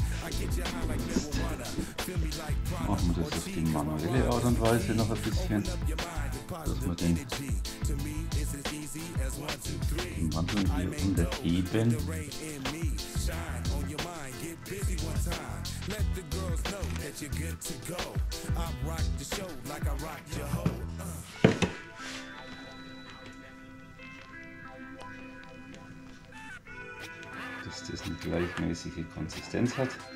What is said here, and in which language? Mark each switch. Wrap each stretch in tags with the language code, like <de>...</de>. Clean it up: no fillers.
<de>Machen wir das auf die manuelle Art und Weise noch ein bisschen, dass wir den Mantel hier unterheben.</de> <en>Let the girls know that you're good to go. I rock the show like I rock your hoe.</en> <de>Dass das eine gleichmäßige Konsistenz hat.</de>